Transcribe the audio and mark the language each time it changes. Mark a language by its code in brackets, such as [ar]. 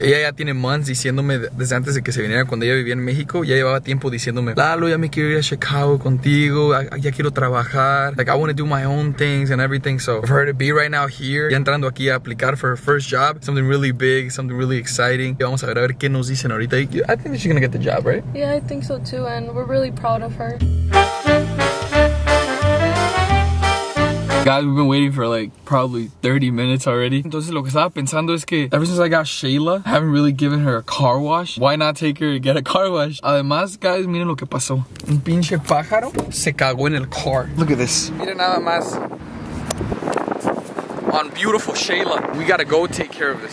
[es] Ella ya tiene months diciéndome desde antes de que se viniera cuando ella vivía en México. Ya llevaba tiempo diciéndome, Lalo, ya me quiero ir a Chicago contigo. Ya quiero trabajar. [en] Like, I want to do my own things and everything. So, for her to be right now here, [es] ya entrando aquí a aplicar [en] for her first job, something really big, something really exciting. [es] Vamos a ver qué nos dicen ahorita. [en] I think she's gonna get the job, right? Yeah, I think so too, and we're really proud of her. Guys, we've been waiting for like probably 30 minutes already. [es] Entonces, lo que estaba pensando es que [en] ever since I got Shayla, I haven't really given her a car wash. Why not take her and get a car wash? [es] Además, guys, miren lo que pasó. Un pinche pájaro se cagó en el car. [en] Look at this. [es] Miren nada más. [en] On beautiful Shayla, we gotta go take care of this.